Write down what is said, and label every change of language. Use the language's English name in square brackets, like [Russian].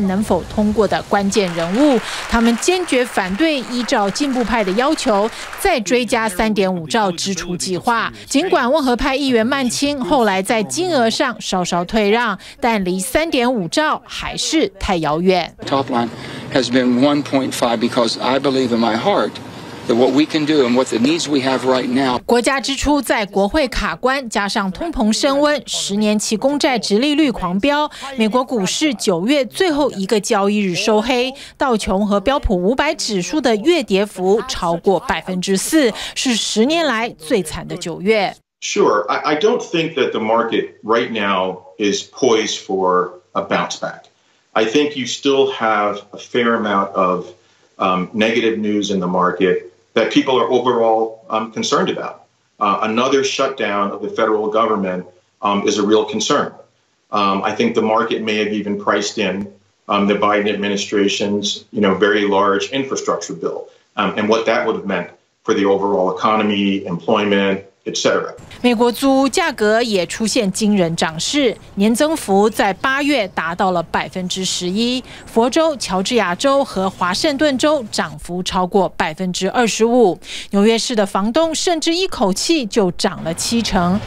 [Chinese] 能否通过的关键人物，他们坚决反对依照进步派的要求再追加3.5兆支出计划。尽管温和派议员曼青后来在金额上稍稍退让，但离3.5兆还是太遥远。 [English] Top line has been 1.5 because I believe in my heart. What we can do and what the needs we have right now. [Chinese] 国家支出在国会卡关，加上通膨升温，10年期公债殖利率狂飙。美国股市九月最后一个交易日收黑，道琼和标普五百指数的月跌幅超过4%，是10年来最惨的九月。 [English] Sure, I don't think that the market right now is poised for a bounce back. I think you still have a fair amount of. Negative news in the market that people are overall concerned about. Another shutdown of the federal government is a real concern. I think the market may have even priced in the Biden administration's, you know, very large infrastructure bill and what that would have meant for the overall economy, employment, [Chinese] 美国租屋价格也出现惊人涨势，年增幅在8月达到了11%。佛州、乔治亚州和华盛顿州涨幅超过25%。纽约市的房东甚至一口气就涨了70%。